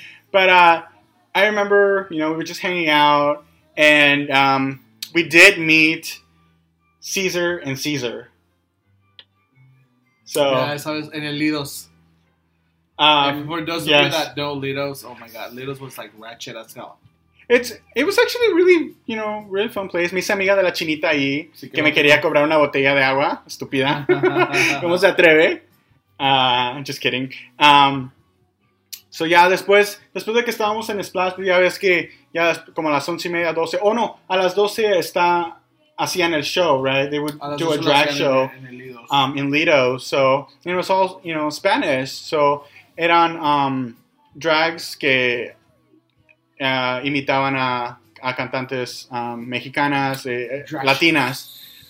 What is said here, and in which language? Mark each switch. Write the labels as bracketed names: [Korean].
[English] But I remember, you know, we were just hanging out, and we did meet Caesar and Caesar. So, yeah, I saw it in Lidos. For those of you that know Lidos, oh my god, Lidos was like ratchet as hell. It was actually really, you know, really fun place. [Spanish] Mi amiga de la chinita ahí, que me quería cobrar una botella de agua, estúpida. ¿Cómo se atreve? [English] I'm just kidding. [Spanish] Después de que estábamos en Splash, ya ves que ya como a las 11:30, 12, oh no, a las 12 está... hacían el show, right? [English] They would do a drag show in Lido. So, it was all, you know, Spanish. So, [Spanish] eran drags que imitaban a cantantes mexicanas, latinas.